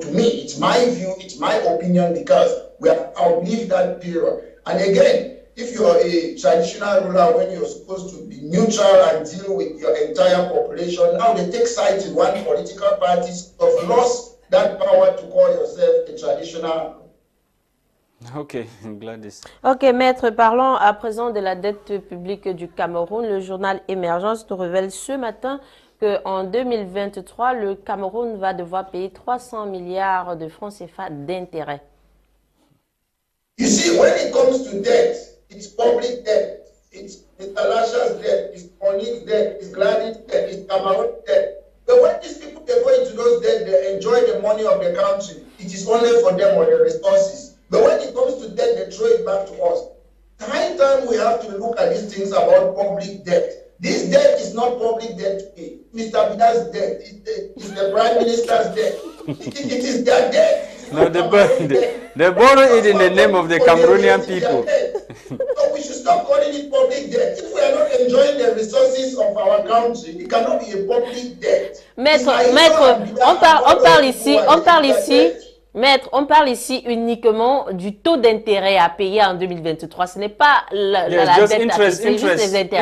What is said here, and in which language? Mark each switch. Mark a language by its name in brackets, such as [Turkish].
[English] To me, it's my view, it's my opinion, because we have outlived that period. And again, if you are a traditional ruler, when you're supposed to be neutral and deal with your entire population, now they take sides in one political party, so you've lost that power to call yourself a traditional ruler. Okay, Gwladys. [French] Okay, Maître, parlons à présent de la dette publique du Cameroun. Le journal Émergence nous révèle ce matin qu'en 2023, le Cameroun va devoir payer 300 milliards de francs CFA d'intérêts. [English] You see, when it comes to debt, it's public debt. It's Alasha's debt, it's Onyx debt, it's Gladys debt, it's Cameroon debt. But when these people, they go into those debt, they enjoy the money of the country. It is only for them or their resources. But when it comes to debt, they throw it back to us. High time we have to look at these things about public debt. This debt is not public debt. Mr. Bida's debt, it's the Prime Minister's debt. It is their debt. No, they borrow it in the name of the Cameroonian people. So we should stop calling it public debt. If we are not enjoying the resources of our country, it cannot be a public debt. [French] Maître, on parle ici. Maître, on parle ici uniquement du taux d'intérêt à payer en 2023. Ce n'est pas la dette à payer, c'est juste les intérêts.